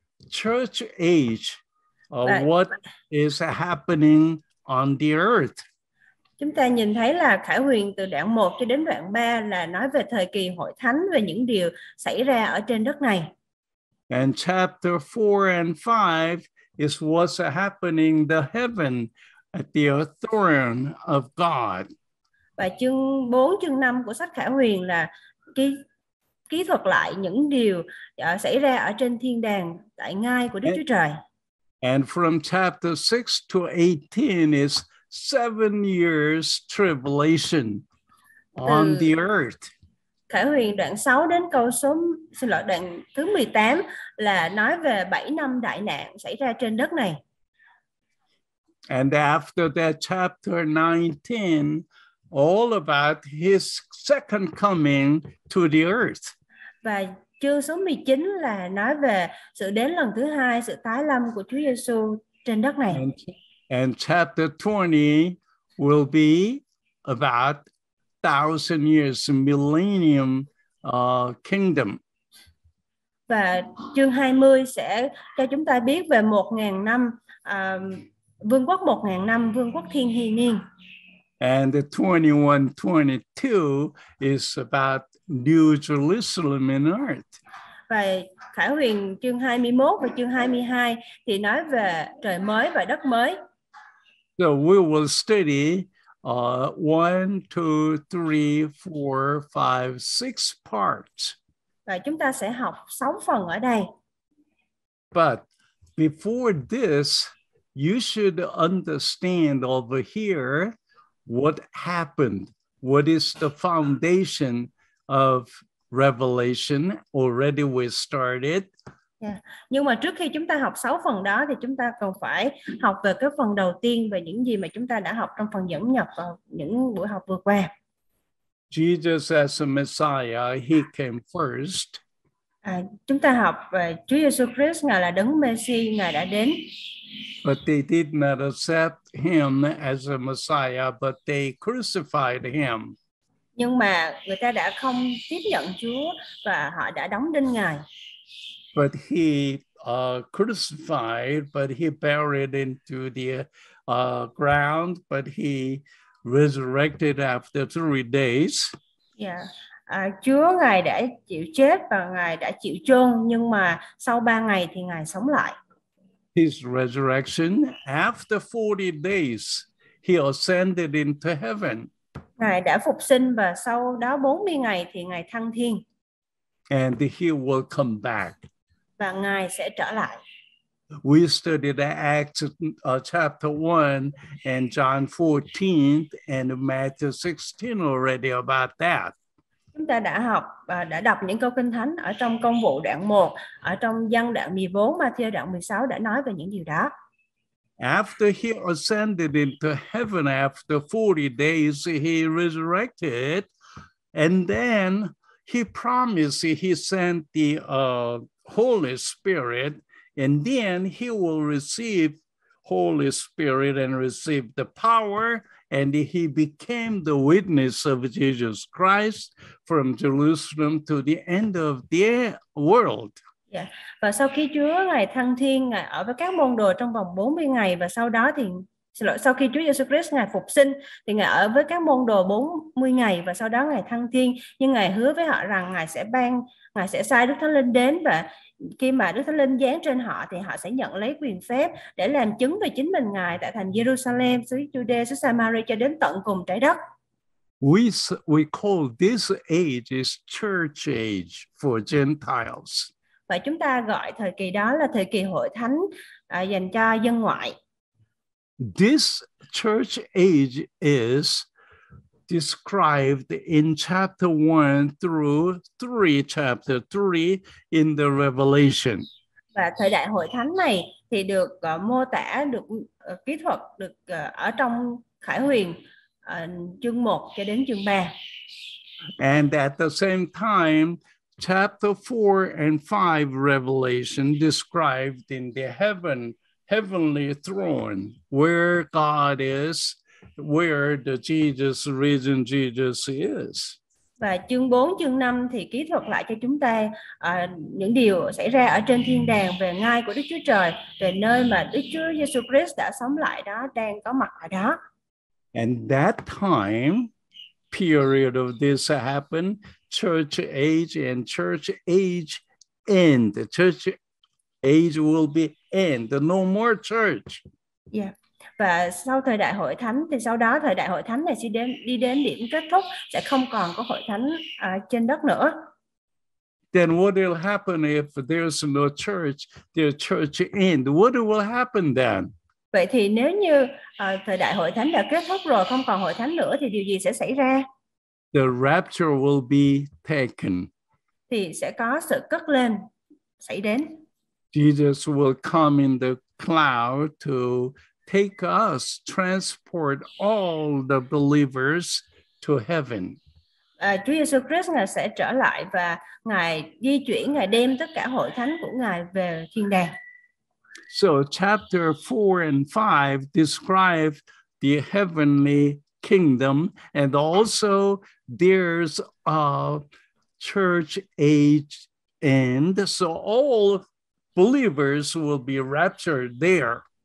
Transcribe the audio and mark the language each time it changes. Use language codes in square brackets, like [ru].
[en] Church age of what is happening on the earth. [vi] Chúng ta nhìn thấy là Khải Huyền từ đoạn 1 cho đến đoạn 3 là nói về thời kỳ hội thánh, về những điều xảy ra ở trên đất này. [en] And chapter 4 and 5 is what's happening the heaven at the throne of God. [vi] Và chương 4, chương 5 của sách Khải Huyền là ký thuật lại những điều xảy ra ở trên thiên đàng tại ngai của Đức Chúa Trời. [en] And from chapter 6 to 18 is 7 years tribulation on the earth. [vi] Khải Huyền đoạn 6 đến câu số, xin lỗi, đoạn thứ 18 là nói về 7 năm đại nạn xảy ra trên đất này. [en] And after that chapter 19, all about his second coming to the earth. [vi] Và chương số 19 là nói về sự đến lần thứ hai, sự tái lâm của Chúa Giêsu trên đất này. [en] And chapter 20 will be about 1,000 years, millennium kingdom. [vi] Và chương 20 sẽ cho chúng ta biết về 1,000 năm, vương quốc 1,000 năm, vương quốc thiên hy niên. [en] And the 21, 22 is about New Jerusalem in earth. [vi] Và Khải Huyền chương 21 và chương 22 thì nói về trời mới và đất mới. [en] So we will study 1, 2, 3, 4, 5, 6 parts. [vi] Và chúng ta sẽ học 6 phần ở đây. [en] But before this, you should understand over here what happened. What is the foundation of Revelation? Already we started. [vi] Nhưng mà trước khi chúng ta học 6 phần đó thì chúng ta còn phải học về cái phần đầu tiên, về những gì mà chúng ta đã học trong phần dẫn nhập vào những buổi học vừa qua. [en] Jesus as a Messiah, he came first. [vi] Chúng ta học về Chúa Jesus Christ, ngài là đấng Messi, ngài đã đến. [en] But they did not accept him as a Messiah, but they crucified him. [vi] Nhưng mà người ta đã không tiếp nhận Chúa và họ đã đóng đinh ngài. [en] But he crucified, but he buried into the ground, but he resurrected after 3 days. Yeah. [vi] Chúa ngài đã chịu chết và ngài đã chịu chôn, nhưng mà sau 3 ngày thì ngài sống lại. [en] His resurrection after 40 days, He ascended into heaven. [vi] Ngài đã phục sinh và sau đó 40 ngày thì Ngài thăng thiên. [en] And he will come back. [vi] Và Ngài sẽ trở lại. [en] We studied Acts chapter 1 and John 14 and Matthew 16 already about that. [vi] Chúng ta đã học và đã đọc những câu kinh thánh ở trong Công vụ đoạn 1, ở trong Dân đoạn 14, Matthew đoạn 16 đã nói về những điều đó. [en] After he ascended into heaven after 40 days, he resurrected, and then he promised he sent the Holy Spirit, and then he will receive Holy Spirit and receive the power, and he became the witness of Jesus Christ from Jerusalem to the end of the world. Yeah. [vi] Và sau khi Chúa Ngài thăng thiên, Ngài ở với các môn đồ trong vòng 40 ngày và sau đó thì sau khi Chúa Jesus Christ Ngài phục sinh thì Ngài ở với các môn đồ 40 ngày và sau đó Ngài thăng thiên, nhưng Ngài hứa với họ rằng Ngài sẽ sai Đức Thánh Linh đến, và khi mà Đức Thánh Linh giáng trên họ thì họ sẽ nhận lấy quyền phép để làm chứng về chính mình Ngài tại thành Jerusalem, xứ Judea, xứ Samaria cho đến tận cùng trái đất. [en] We call this age is church age for Gentiles. [vi] Và chúng ta gọi thời kỳ đó là thời kỳ hội thánh dành cho dân ngoại. [en] This church age is described in chapter 1 through 3, chapter 3 in the Revelation. [vi] Và thời đại hội thánh này thì được mô tả, được kỹ thuật, được ở trong Khải Huyền chương 1 cho đến chương 3. [en] And at the same time, chapter 4 and 5 Revelation described in the heavenly throne where God is, where the Jesus risen Jesus is. [vi] Và chương 4, chương 5 thì ký thuật lại cho chúng ta những điều xảy ra ở trên thiên đàng về ngai của Đức Chúa Trời, về nơi mà Đức Chúa Jesus Christ đã sống lại đó, đang có mặt ở đó. [en] And that time period of this happened, church age and church age end. The church age will be end. No more church. Yeah. [vi] Và sau thời đại hội thánh thì sau đó thời đại hội thánh này sẽ đi đến điểm kết thúc, sẽ không còn có hội thánh trên đất nữa. [en] Then what will happen if there's no church? The church end. What will happen then? [vi] Vậy thì nếu như thời đại hội thánh đã kết thúc rồi, không còn hội thánh nữa thì điều gì sẽ xảy ra? [en] The rapture will be taken. [vi] Thì sẽ có sự cất lên xảy đến. [en] Jesus will come in the cloud to take us, transport all the believers to heaven. [vi] Chúa Jesus Christ Ngài sẽ trở lại và Ngài di chuyển, Ngài đem tất cả hội thánh của Ngài về thiên đàng. [en] So chapter 4 and 5 describe the heavenly kingdom, and also there's a church age end, so all believers will be raptured there.